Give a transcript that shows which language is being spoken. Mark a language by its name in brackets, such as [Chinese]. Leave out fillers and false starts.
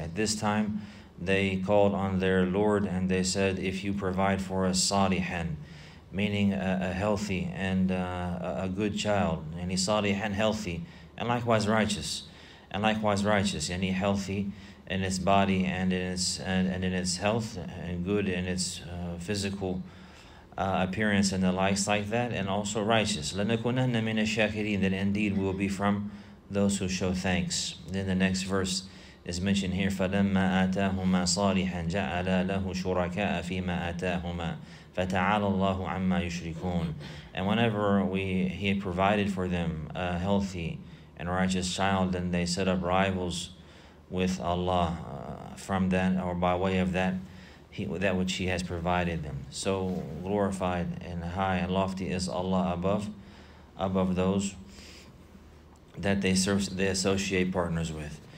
[English] At this time, they called on their Lord and they said, if you provide for us salihan, meaning a healthy and a good child, and he salihan, healthy, and likewise righteous, and likewise righteous, and he healthy in its body and in its and in its health, and good in its physical appearance and the likes like that, and also righteous. [Arabic] لَنَكُنَنَّ مِنَ الشَّاكِرِينَ, [English] that indeed will be from those who show thanks. Then the next verse is mentioned here, [Arabic] فَلَمَّا آتَاهُمَا صَالِحًا جَعَلَا لَهُ شُرَكَاءَ فِي مَا آتَاهُمَا فَتَعَالَ اللَّهُ عَمَّا يُشْرِكُونَ. [English] And whenever he provided for them a healthy and righteous child, then they set up rivals with Allah from that, or by way of that, that which He has provided them. So glorified and high and lofty is Allah above those that they associate partners with.